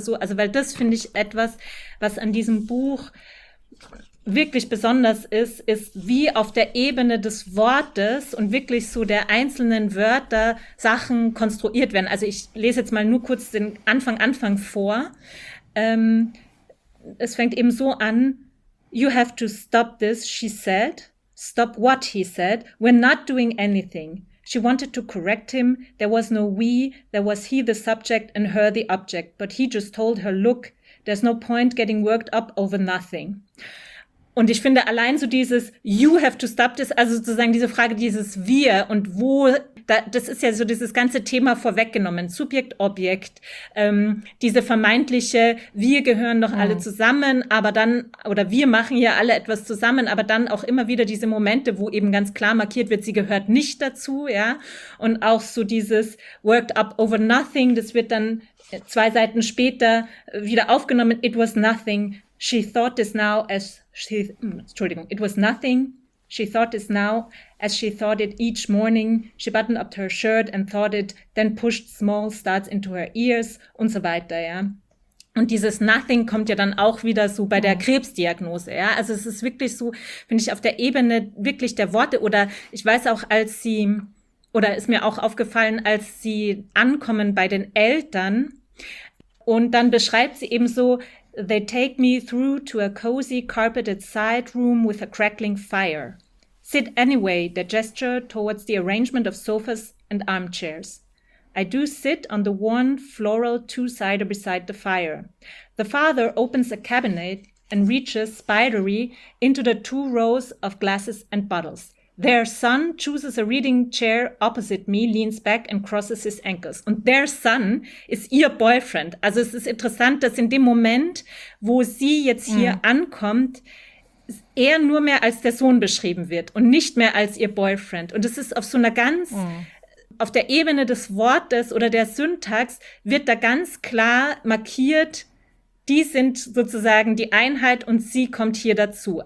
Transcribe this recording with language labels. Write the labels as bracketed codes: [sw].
[de] So, also weil das finde ich etwas, was an diesem Buch wirklich besonders ist, ist, wie auf der Ebene des Wortes und wirklich so der einzelnen Wörter Sachen konstruiert werden. Also ich lese jetzt mal nur kurz den Anfang vor. Es fängt eben so an. [en] You have to stop this, she said. Stop what, he said. We're not doing anything. She wanted to correct him. There was no we. There was he the subject and her the object. But he just told her, look, there's no point getting worked up over nothing. [de] Und ich finde allein so dieses [en] you have to stop this, [de] also sozusagen diese Frage, dieses wir und wo, da, das ist ja so dieses ganze Thema vorweggenommen, Subjekt, Objekt, diese vermeintliche, wir gehören doch alle zusammen, aber dann, oder wir machen ja alle etwas zusammen, aber dann auch immer wieder diese Momente, wo eben ganz klar markiert wird, sie gehört nicht dazu, ja, und auch so dieses [en] worked up over nothing, [de] das wird dann zwei Seiten später wieder aufgenommen. [en] It was nothing. She thought this now as she, [de] Entschuldigung. [en] It was nothing. She thought this now as she thought it each morning. She buttoned up her shirt and thought it, then pushed small starts into her ears [de] und so weiter, ja. Und dieses nothing kommt ja dann auch wieder so bei der Krebsdiagnose, ja. Also es ist wirklich so, finde ich, auf der Ebene wirklich der Worte oder ich weiß auch, als sie oder ist mir auch aufgefallen, als sie ankommen bei den Eltern und dann beschreibt sie eben so, [en] they take me through to a cozy carpeted side room with a crackling fire. Sit anyway, they gesture towards the arrangement of sofas and armchairs. I do sit on the one floral two-sider beside the fire. The father opens a cabinet and reaches spidery into the two rows of glasses and bottles. Their son chooses a reading chair opposite me, leans back and crosses his ankles. [de] Und [en] their son [de] ist ihr Boyfriend. Also es ist interessant, dass in dem Moment, wo sie jetzt hier ankommt, er nur mehr als der Sohn beschrieben wird und nicht mehr als ihr Boyfriend. Und es ist auf so einer ganz, auf der Ebene des Wortes oder der Syntax wird da ganz klar markiert, die sind sozusagen die Einheit und sie kommt hier dazu.